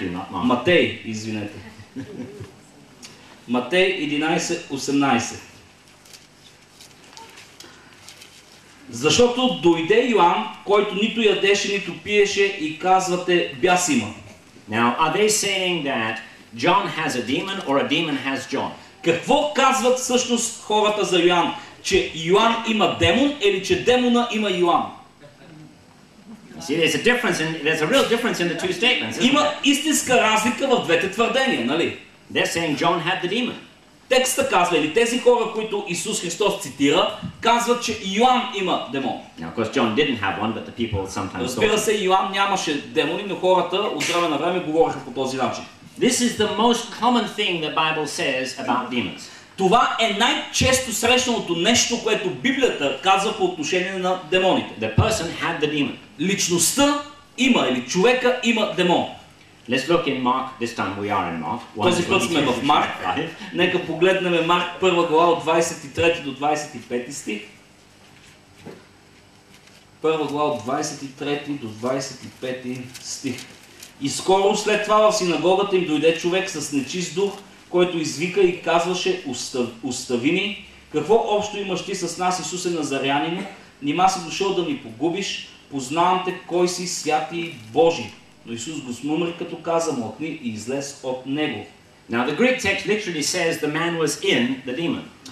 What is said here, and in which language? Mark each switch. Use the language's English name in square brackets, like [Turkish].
[Bulgarian] Матей, извинете. Матей 11:18. Защото дойде Йоан, който нито ядеше, нито пиеше и казвате бяс има. [English] Now, are they saying that John has a demon or a demon has John? [Bulgarian] Какво казват всъщност хората за Йоан? Че Йоан има демон или че демона има Йоан? [English] See, there's a real difference in the two statements. [Bulgarian] Има истинска разлика в двете твърдения, нали? [English] They're saying John had the demon. [Bulgarian] Текста казва, или тези хора, които Исус Христос цитира, казват, че Йоан има демон. [English] Now, of course, John didn't have one, but the people sometimes thought. [Bulgarian] Разбира се, Йоан нямаше демони, но хората от време на време говореха по този начин. [English] This is the most common thing the Bible says about demons. [Bulgarian] Това е най-често срещаното нещо, което Библията казва по отношение на демоните. [English] The person had the demon. [Bulgarian] Личността има, или човека има демон. [English] Let's look in Mark. This time we are in Mark. [Bulgarian] Този път сме в Марк. Нека погледнем Марк 1 глава от 23 до 25 стих. 1 глава от 23 до 25 стих. И скоро след това в синагогата им дойде човек с нечист дух, който извика и казваше: остави ни, какво общо имаш ти с нас, Исусе Назарянин? Нима си дошъл да ни погубиш? Познавам те, кой си, святи Божий. Но Исус го смъмри, като каза: мълкни и излез от него. [English] Now the Greek text literally says the man was in the demon.